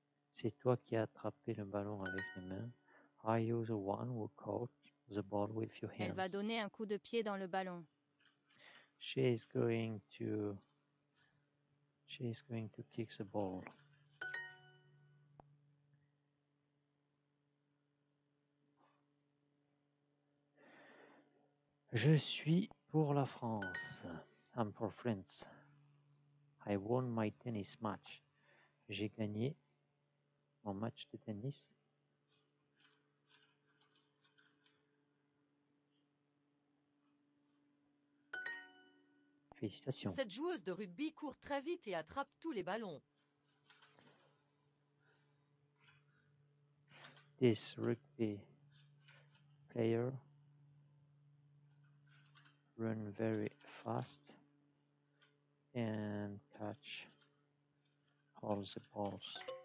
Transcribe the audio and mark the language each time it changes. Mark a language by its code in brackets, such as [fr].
[fr] C'est toi qui as attrapé le ballon avec les mains. [en] Are you the one who caught the ball with your [fr] Elle va [en] hands? [fr] donner un coup de pied dans le ballon. [en] She is going to kick the ball. [fr] Je suis pour la France. [en] I'm for France. I won my tennis match. [fr] J'ai gagné mon match de tennis. Félicitations. Cette joueuse de rugby court très vite et attrape tous les ballons. [en] This rugby player run very fast and catch all the balls.